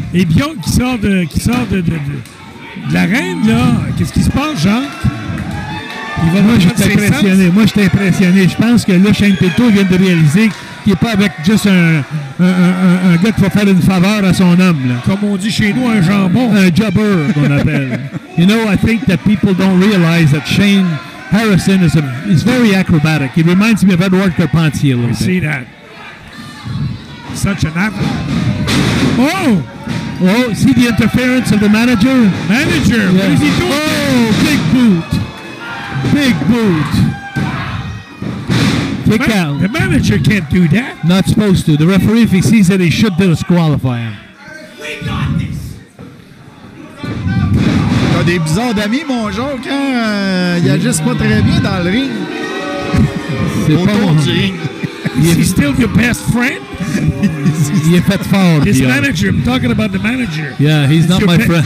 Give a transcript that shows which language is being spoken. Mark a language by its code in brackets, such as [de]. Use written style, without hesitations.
[fr] Et Bjorn qui sort de l'arène, là. Qu'est-ce qui se passe, Jean? Il va Moi, je suis impressionné. Je pense que là, Shane Pinto vient de réaliser qu'il n'est pas avec juste un gars qui va faire une faveur à son homme. Là. Comme on dit chez nous, un jambon. Un jobber, qu'on appelle. [en] You know, I think that people don't realize that Shane Harrison is very acrobatic. He reminds me of Edward Carpentier a little bit. I see that. Such an athlete. Oh, see the interference of the manager? Manager, yeah. What is he doing? Big boot. Kick out. The manager can't do that. Not supposed to. The referee, if he sees it, he should disqualify him. We got this. [fr] T'as des bizarres d'amis, mon genre, quand il agisse pas très bien dans le ring. C'est pas mon ring. [en] Is he still your best friend? [fr] Il est fait fort. [en] His manager. I'm talking about the manager. Yeah, he's not my friend.